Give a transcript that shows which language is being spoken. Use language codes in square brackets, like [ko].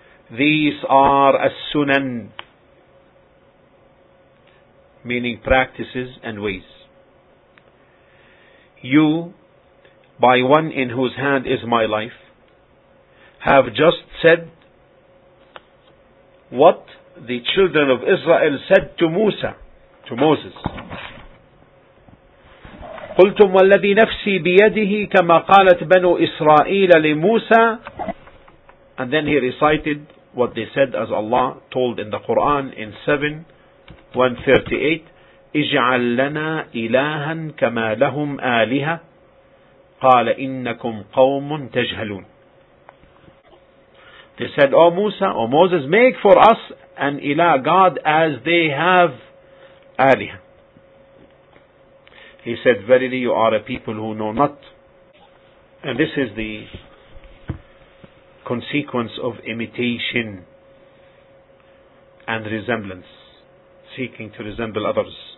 [en] These are as-sunan, meaning practices and ways. You, by one in whose hand is my life, have just said what the children of Israel said to Musa, to Moses. [ar] قلتم والذي نفسي بيده كما قالت بنو إسرائيل لموسى. [en] And then he recited what they said as Allah told in the Quran in 7:138. [ar] اجعل لنا إلها كما لهم آلهة قال إنكم قوم تجهلون. [en] They said, O Musa, O Moses, make for us an ilah, God, as they have alih. He said, Verily, you are a people who know not. And this is the consequence of imitation and resemblance, seeking to resemble others.